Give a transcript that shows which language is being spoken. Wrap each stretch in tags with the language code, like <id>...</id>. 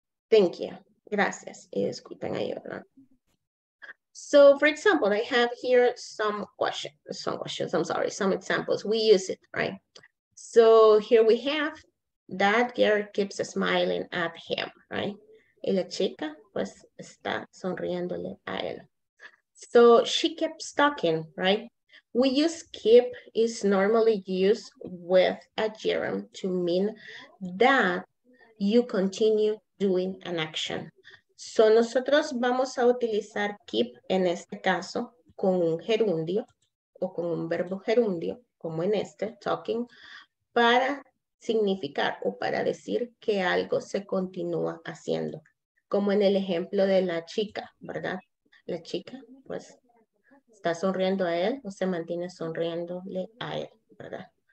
<en>Thank you.</en> <es>Gracias. Y disculpen ahí, ¿verdad?</es> <en>So, for example, I have here some questions. Some examples. We use it, right? So, here we have, that girl keeps smiling at him, right?</en> <es>Y la chica, pues, está sonriéndole a él.</es> <en>So she keeps talking, right? We use keep is normally used with a gerund to mean that you continue doing an action.</en> <es>So nosotros vamos a utilizar keep en este caso con un gerundio o con un verbo gerundio, como en este, talking, para significar o para decir que algo se continúa haciendo. Como en el ejemplo de la chica, ¿verdad? La chica, pues, está sonriendo a él o se mantiene sonriéndole a él, ¿verdad?</es>